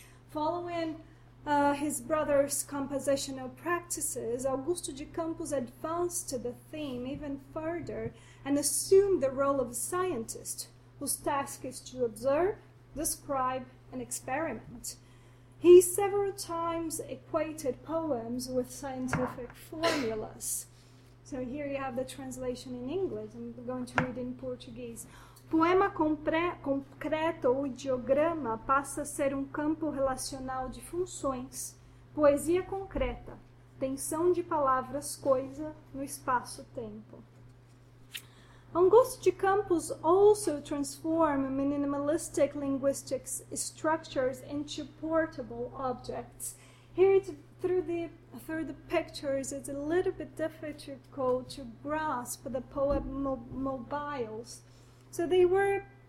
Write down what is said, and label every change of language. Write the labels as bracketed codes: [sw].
[en] Following his brother's compositional practices, Augusto de Campos advanced to the theme even further and assumed the role of a scientist whose task is to observe, describe, and experiment. He several times equated poems with scientific formulas. So here you have the translation in English. I'm going to read in Portuguese. [pt] Poema concreto ou ideograma passa a ser campo relacional de funções. Poesia concreta, tensão de palavras, coisa no espaço-tempo. [en] Augusto de Campos also transformed minimalistic linguistic structures into portable objects. Here, through the pictures, it's a little bit difficult to grasp the poem mobiles. So they were.